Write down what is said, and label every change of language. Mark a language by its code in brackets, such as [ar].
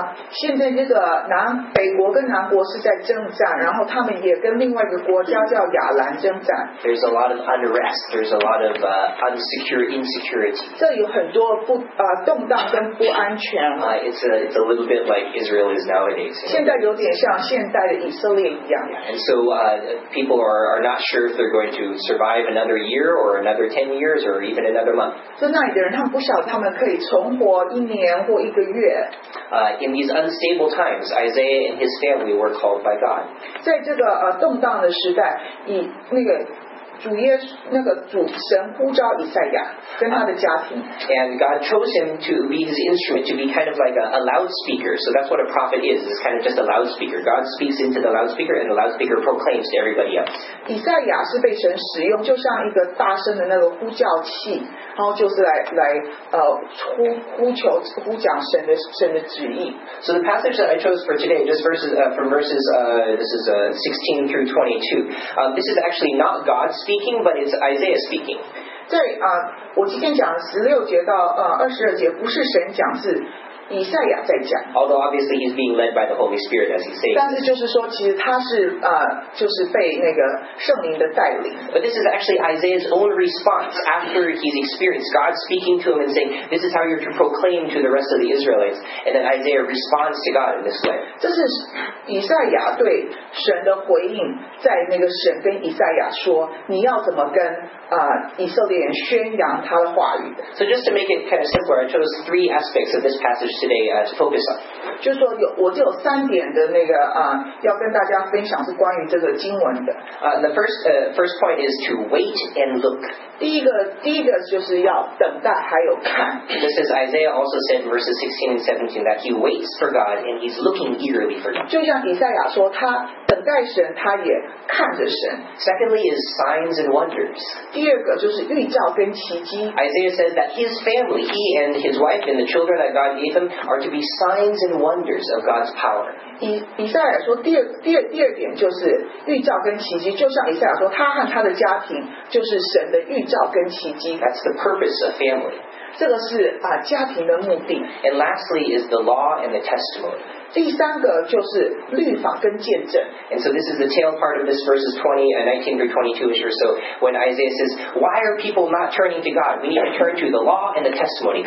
[zh] 现在那个北国跟南国是在征战，然后他们也跟另外一个国家叫亚兰征战。 [en] There's a lot of unrest. There's a lot of insecurity. [zh] 这有很多动荡跟不安全。 [en] It's a little bit like Israel is nowadays. [zh] 现在有点像现代的以色列一样。 [en] Yeah. And so people are not sure if they're going to survive another year or another 10 years or even another month. [zh] 在那里的人，他们不晓得他们可以存活一年或一个月。 [en] In these unstable times, Isaiah and his family were called by God. [zh] 在这个动荡的时代，以那个主耶稣那个主神呼召以赛亚跟他的家庭。 [en] And God chose him to be his instrument, to be kind of like a loudspeaker. So that's what a prophet is. It's kind of just a loudspeaker. God speaks into the loudspeaker, and the loudspeaker proclaims to everybody else. [zh] 以赛亚是被神使用，就像一个大声的那个呼叫器。然后就是来呼讲神的旨意。 [en] So the passage that I chose for today, just verses from verses this is 16 through 22. This is actually not God speaking, but it's Isaiah speaking. [zh] 在我今天讲16节到22节，不是神讲，是以赛亚在讲。 [en] Although obviously he's being led by the Holy Spirit as he's saying. [zh] 但是就是说，其实他是就是被那个圣灵的带领。 [en] But this is actually Isaiah's own response after he's experienced God speaking to him and saying, "This is how you're to proclaim to the rest of the Israelites." And then Isaiah responds to God in this way. [zh] 这是以赛亚对神的回应，在那个神跟以赛亚说，你要怎么跟以色列人宣扬他的话语。 [en] So just to make it kind of simpler, I chose three aspects of this passage. Today, to focus on. [zh] 就是说我就有三点的那个要跟大家分享是关于这个经文的。 [en] The first point is to wait and look. [zh] 第一个就是要等待还有看。 [en] This is Isaiah also said in verses 16 and 17 that he waits for God and he's looking eagerly for God. [zh] 就像以赛亚说，他等待神，他也看着神。 [en] Secondly is signs and wonders. [zh] 第二个就是预兆跟奇迹。 [en] Isaiah says that his family, he and his wife and the children that God gave him them are to be signs and wonders of God's power. [zh] 以赛亚说第二点就是预兆跟奇迹，就像以赛亚说，他和他的家庭就是神的预兆跟奇迹。 [en] That's the purpose of family. [zh] 这个是家庭的目的。 [en] And lastly is the law and the testimony. [zh] 第三个就是律法跟见证。 [en] And so this is the tail part of this verses 20 and 19 through 22 or so, when Isaiah says, why are people not turning to God? We need to turn to the law and the testimony.